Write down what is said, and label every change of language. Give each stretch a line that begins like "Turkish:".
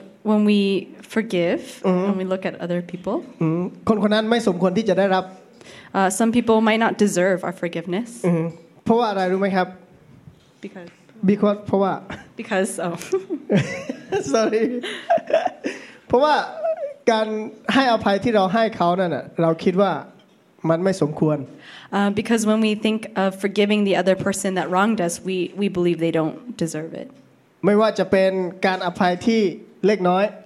English: when we forgive when we look at other people
Thai: คนคนนั้นไม่สมควรที่จะได้รับ
English: some people might not deserve our forgiveness
Thai: เพราะว่าอะไรรู้ไหมครับ
English: because
Thai: เพราะว่า
English: because oh
Thai: sorry เพราะว่าการให้อภัยที่เราให้เขานั่นเราคิดว่ามันไม่สมควร
English: because when we think of forgiving the other person that wronged us we believe they don't deserve it
Thai: ไม่ว่าจะเป็นการอภัยที่เล็กน้อย